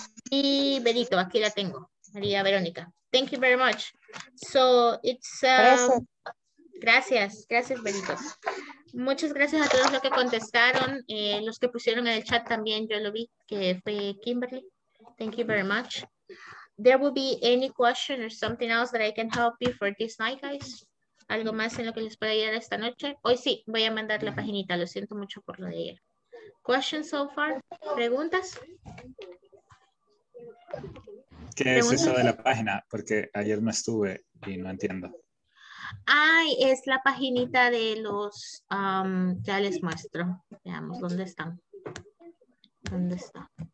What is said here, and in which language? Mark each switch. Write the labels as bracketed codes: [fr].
[es] Y Benito, aquí la tengo. María Verónica. Thank you very much. So it's. Gracias, gracias, Benito. Muchas gracias a todos los que contestaron, los que pusieron en el chat también, yo lo vi, que fue Kimberly. [en] Thank you very much. There will be any question or something else that I can help you for this night, guys. [es] Algo más en lo que les pueda ayudar esta noche. Hoy sí, voy a mandar la paginita, lo siento mucho por lo de ayer. [en] Questions so far? ¿Preguntas? [es] ¿Qué es eso de la página? Porque ayer no estuve y no entiendo. Ay, es la paginita de los, ya les muestro, veamos, ¿dónde están? ¿Dónde está?